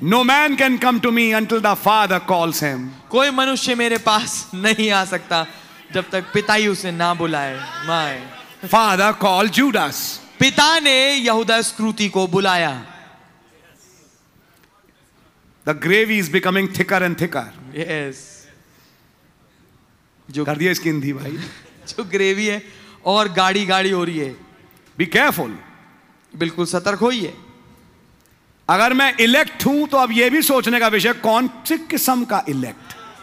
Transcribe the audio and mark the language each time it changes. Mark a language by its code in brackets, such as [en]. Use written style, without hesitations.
[en] no man can come to me until the Father calls him, [hi] कोई मनुष्य मेरे पास नहीं आ सकता जब तक पिता ही उसे ना बुलाए. [en] My Father called Judas. [hi] पिता ने यहूदा स्क्रूती को बुलाया. [en] The gravy is becoming thicker and thicker. Yes. [hi] जो कर दिया इसकी हिंदी भाई. जो ग्रेवी है और गाड़ी गाड़ी हो रही है. [en] Be careful. [hi] बिल्कुल सतर्क होइए. अगर मैं इलेक्ट हूं तो अब यह भी सोचने का विषय, कौन से किस्म का इलेक्ट.